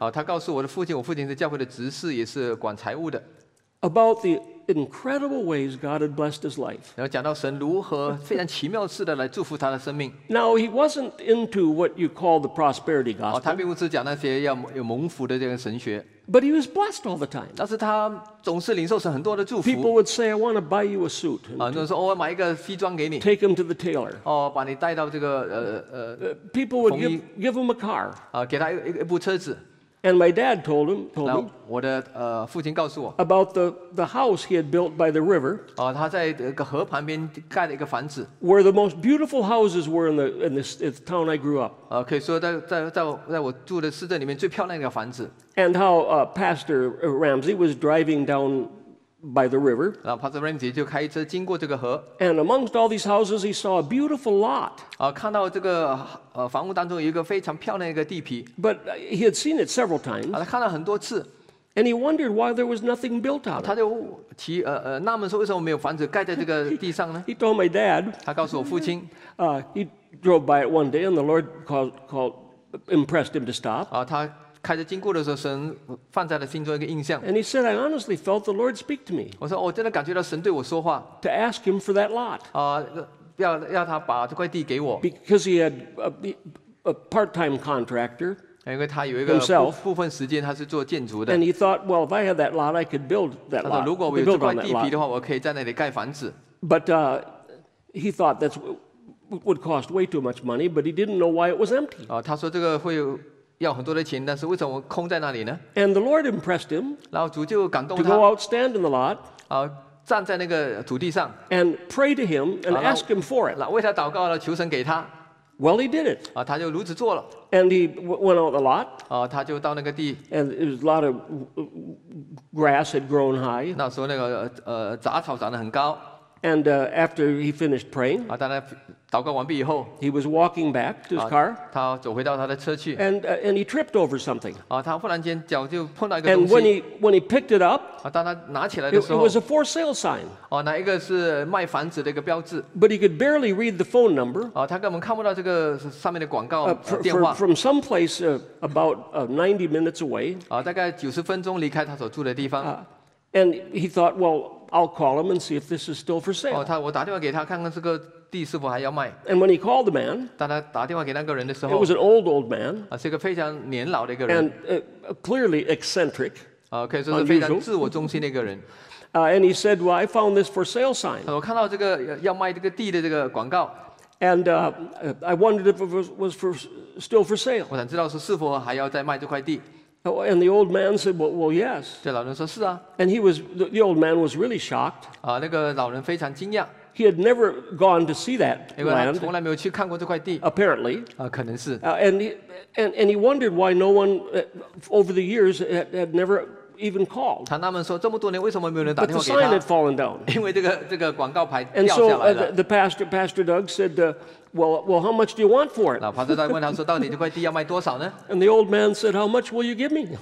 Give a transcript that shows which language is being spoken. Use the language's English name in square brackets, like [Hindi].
[Chinese] 他告诉我的父亲，我父亲是教会的执事，也是管财务的。 [English] About the incredible ways God had blessed his life. [Chinese] 然后讲到神如何非常奇妙似的来祝福他的生命。 [English] Now he wasn't into what you call the prosperity gospel. [Chinese] 他并不是讲那些要有蒙福的这个神学。 [English] But he was blessed all the time. [Chinese] 但是他总是领受神很多的祝福。 [English] People would say, "I want to buy you a suit." [Chinese] 有人说，我买一个西装给你。 [English] Take him to the tailor. [Chinese] 把你带到这个 [English] People would give him a car. [Chinese] 给他一部车子。 [English] And my dad told him, told me, [Chinese] 我的父亲告诉我 [English] about the house he had built by the river. [Chinese] 他在河旁边盖了一个房子 [English] where the most beautiful houses were in the town I grew up. [Chinese] 可以说在我住的市镇里面最漂亮的房子 [English] And how Pastor Ramsey was driving down by the river. [Chinese] 然后 Pastor Ramsey 就开车经过这个河 [English] And amongst all these houses, he saw a beautiful lot. [Chinese] 看到这个房屋当中有一个非常漂亮的一个地皮 [English] But he had seen it several times. [Chinese] 他看了很多次。 [English] And he wondered why there was nothing built out. [Chinese] 他就提纳闷说为什么没有房子盖在这个地上呢 [English] He told my dad. [Chinese] 他告诉我父亲。 [English] He drove by it one day, and the Lord called impressed him to stop. [Chinese] 他开着经过的时候，神放在了心中一个印象。 [English] And he said, I honestly felt the Lord speak to me. [Chinese] 我说我真的感觉到神对我说话。 [English] To ask him for that lot. [Chinese] 要他把这块地给我。 [English] Because he had a part-time contractor. [Chinese] 因为他有一个 [English] himself, [Chinese] 部分时间他是做建筑的 [English] and he thought, well, if I had that lot, I could build that lot. [Chinese] 如果我有这块地皮的话，我可以在那里盖房子。 [English] But he thought that would cost way too much money, but he didn't know why it was empty. [Chinese] 他说这个会要很多的钱，但是为什么空在那里呢？ [English] And the Lord impressed him. [Chinese] 然后主就感动他 [English] to go out stand in the lot. [Chinese] 站在那个土地上 [English] and pray to him and ask him for it. [Chinese] 为他祷告了，求神给他。 [English] Well, he did it. [Chinese] 他就如此做了。 [English] And he went out the lot. [Chinese] 他就到那个地。 [English] And it was a lot of grass had grown high. [Chinese] 那时候那个杂草长得很高。 [English] And after he finished praying, [Chinese] 当他祷告完毕以后 [English] ，he was walking back to his car. [Chinese] 他走回到他的车去。 [English] And he tripped over something. [Chinese] 他忽然间脚就碰到一个东西。 [English] And when he picked it up, [Chinese] 当他拿起来的时候 [English] ，it was a for sale sign. [Chinese] 那一个是卖房子的一个标志。 [English] But he could barely read the phone number. [Chinese] 他根本看不到这个上面的广告电话。 [English] From some place about 90 minutes away. [Chinese] 大概九十分钟离开他所住的地方。 [English] And he thought, well. I'll call him and see if this is still for sale. [Chinese] 我打电话给他看看这个地是否还要卖。 [English] And when he called the man, [Chinese] 当他打电话给那个人的时候 [English] ，it was an old man. [Chinese] 是一个非常年老的一个人。 [English] And clearly eccentric. [Chinese] 可以说是非常自我中心的一个人。 [English] And he said, "Well, I found this for sale sign." [Chinese] 我看到这个要卖这个地的这个广告。 [English] And I wondered if it was for still for sale. [Chinese] 我想知道是否还要再卖这块地。 [English] Oh, and the old man said, well yes. [Chinese] 对老人说是啊。 [English] And he was, the old man was really shocked. [Chinese] 那个老人非常惊讶。 [English] He had never gone to see that land. [Chinese] 因为他从来没有去看过这块地。 [English] Apparently. [Chinese] 可能是。 [English] And he wondered why no one over the years had never even called. [Chinese] 他纳闷说这么多年为什么没有人打电话给他。 [English] But the sign had fallen down. [Chinese] 因为这个广告牌掉下来了。 [English] And so the pastor Doug said,Well, how much do you want for it? [Chinese] 老庞德在问他说，到底这块地要卖多少呢？ [English] And the old man said, How much will you give me?